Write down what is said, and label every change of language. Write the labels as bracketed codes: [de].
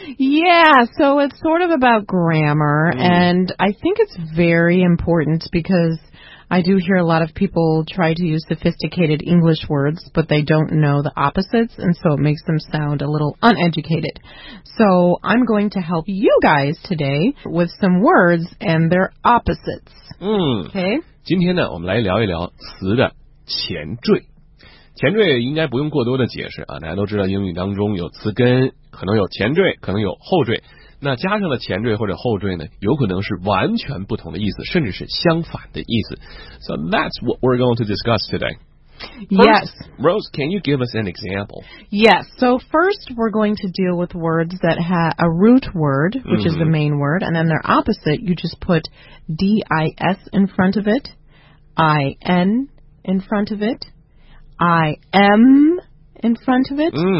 [en] Yeah, so it's sort of about grammar,and I think it's very important because I do hear a lot of people try to use sophisticated English words, but they don't know the opposites, and so it makes them sound a little uneducated. So I'm going to help you guys today with some words and their opposites. Okay? [zh] 今天呢，我们来聊一聊词的前缀。前缀应该不用过多的解释啊，大家都知道英语当中有词根，可能有前缀，可能有后缀，那加上了前缀或者后缀呢，有可能是完全不同的意思，甚至是相反的意思。 [en] So that's what we're going to discuss today. Yes. Rose, can you give us an example? Yes, so first we're going to deal with words that have a root word, which is the main word, and then their opposite, you just put D-I-S in front of it, I-N in front of itI am in front of it.